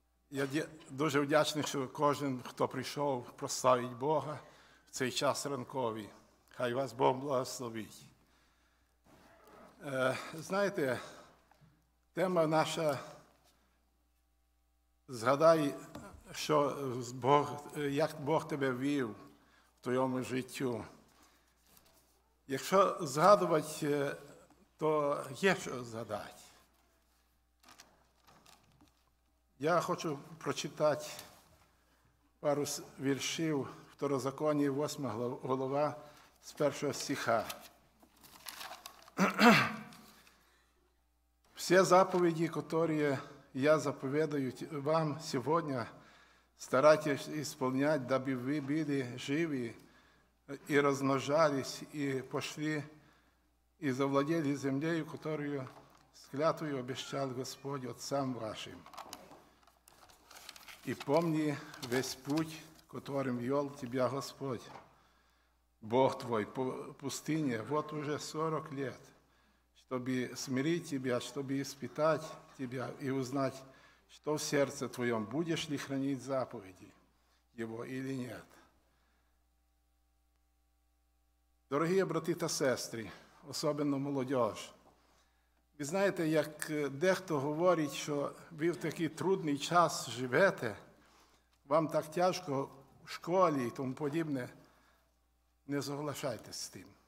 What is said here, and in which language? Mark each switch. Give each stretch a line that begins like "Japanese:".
Ukrainian: Я дуже вдячний, що кожен, хто прийшов, прославить Бога в цей час ранковий. Хай вас Бог благословить. Знаєте, тема наша, згадай, що Бог, як Бог тебе вів в твоєму життю. Якщо згадувати, то є що згадати. Я хочу прочитати пару віршів Второзаконні, 8 глава, з 1 стиха. Всі заповіді, які я заповідаю вам сьогодні, старайтесь ісполняти, даби ви були живі і розмножались, і пішли, і завладіли землею, яку склятою обіцяв Господь отцям вашим.
Russian: І помни весь путь, котрим вел тебя Господь, Бог твой, по пустыне, вот уже 40 лет, чтобы смирить тебя, чтобы испытать тебя и узнать, что в сердце твоем, будешь ли хранить заповеди его или нет. Дорогие
Ukrainian: брати та сестри,
Russian: особенно молодежь,
Ukrainian: ви знаєте, як дехто говорить, що ви в такий трудний час живете, вам так тяжко в школі і тому подібне, не зголошайтесь з тим.